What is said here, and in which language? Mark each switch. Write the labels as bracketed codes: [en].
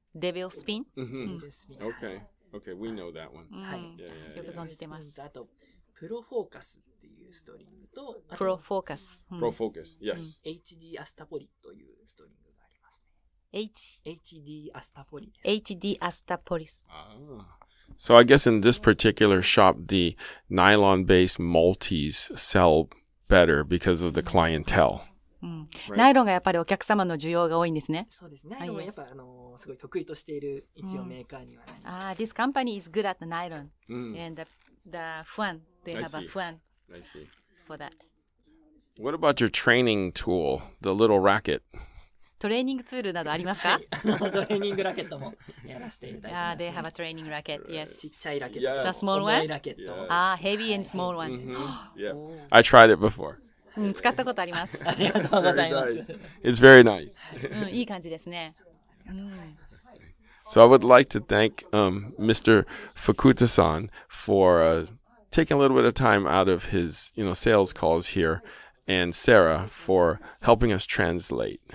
[ja] デビルスピン？ [en] Okay. Okay, we know that one. [ja] はい。よく存じてます。あと、プロフォーカス。ストリングとプロフォーカス、プロフォーカス、yes、 HD アスタポリというストリングがあります、ね。 HD アスタポリ、 HD アスタポリス。 [en] So I guess in this particular shop, the nylon-based multis sell better because of the clientele、 [ja] ナイロンがやっぱりお客様の需要が多いんですね。そうですね。ナイロンはやっぱり、すごい得意としている一応メーカーには、 [en] This company is good at the nylon、and the fan, they have a fan. I see. For that. What about your training tool, the little racket? [ja] トレーニングツールなどありますか？トレーニングラケットもやらせていただいてます、ね。 [en] Ah, they have a training racket. Yes. [ja] ちっちゃいラケット。 [en] The small one? Yes. Ah, heavy and small one. Mm-hmm. Yeah. I tried it before. [ja] うん、使ったことあります。ありがとうございます。 [en] It's very nice. [ja] うん、いい感じですね。うん。 [en] So I would like to thank Mr. Fukuda San for taking a little bit of time out of his, you know, sales calls here, and Sarah for helping us translate.